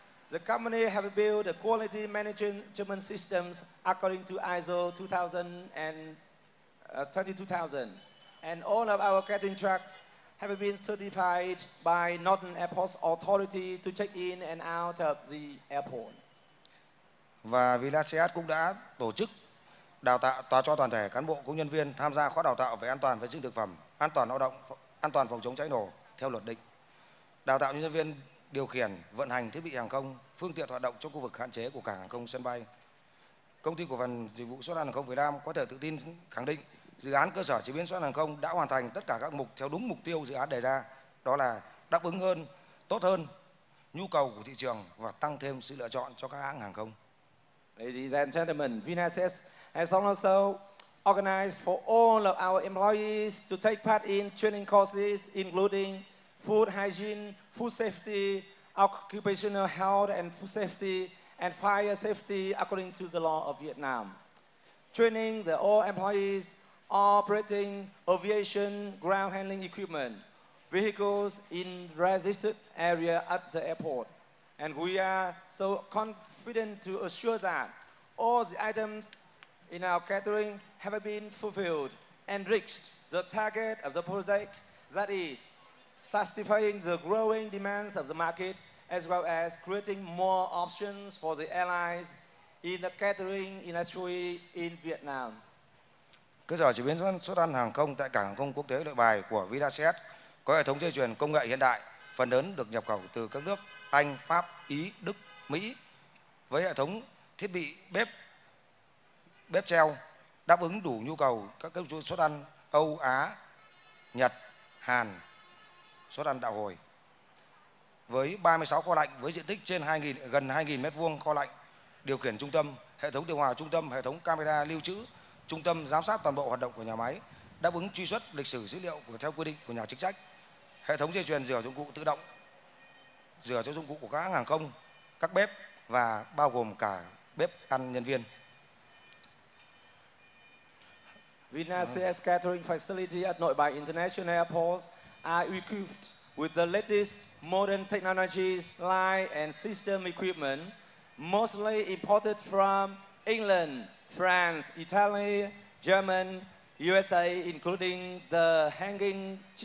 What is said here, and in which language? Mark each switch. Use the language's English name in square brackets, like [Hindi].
[English] The company have built a quality management systems according to ISO 22000, and all of our catering trucks have been certified by Northern Airports Authority to check in and out of the airport. [Vietnamese] Và Vilasiat cũng đã tổ chức đào tạo cho toàn thể cán bộ công nhân viên tham gia khóa đào tạo về an toàn vệ sinh thực phẩm, an toàn lao động, an toàn phòng chống cháy nổ theo luật định. Đào tạo nhân viên điều khiển, vận hành thiết bị hàng không, phương tiện hoạt động trong khu vực hạn chế của cảng hàng không sân bay. Công ty cổ phần dịch vụ xuất ăn hàng không Việt Nam có thể tự tin khẳng định dự án cơ sở chế biến xuất ăn hàng không đã hoàn thành tất cả các mục theo đúng mục tiêu dự án đề ra, đó là đáp ứng hơn, tốt hơn nhu cầu của thị trường và tăng thêm sự lựa chọn cho các hãng hàng không. [English] Ladies and gentlemen, VinSS has also organized for all of our employees to take part in training courses including food hygiene, food safety, occupational health and food safety, and fire safety according to the law of Vietnam. Training the all employees operating aviation ground handling equipment, vehicles in registered area at the airport. And we are so confident to assure that all the items in our catering have been fulfilled and reached the target of the project, that is, satisfying the growing demands of the market as well as creating more options for the airlines in the catering industry in Vietnam. [Vietnamese] Cơ sở chế biến xuất ăn hàng không tại cảng hàng không quốc tế Nội Bài của VinAset có hệ thống dây chuyền công nghệ hiện đại, phần lớn được nhập khẩu từ các nước Anh, Pháp, Ý, Đức, Mỹ với hệ thống thiết bị bếp treo đáp ứng đủ nhu cầu các nước xuất ăn Âu, Á, Nhật, Hàn xuất ăn đạo hồi. Với 36 kho lạnh với diện tích trên gần 2.000 m2 kho lạnh, điều khiển trung tâm, hệ thống điều hòa trung tâm, hệ thống camera lưu trữ, trung tâm giám sát toàn bộ hoạt động của nhà máy, đáp ứng truy xuất lịch sử dữ liệu của theo quy định của nhà chức trách, hệ thống dây chuyền rửa dụng cụ tự động, rửa cho dụng cụ của các hãng hàng không, các bếp và bao gồm cả bếp ăn nhân viên. [English] VinAset Catering Facility at Nội Bài International Airport are equipped with the latest modern technologies, line and system equipment, mostly imported from England, France, Italy, Germany, USA, including the hanging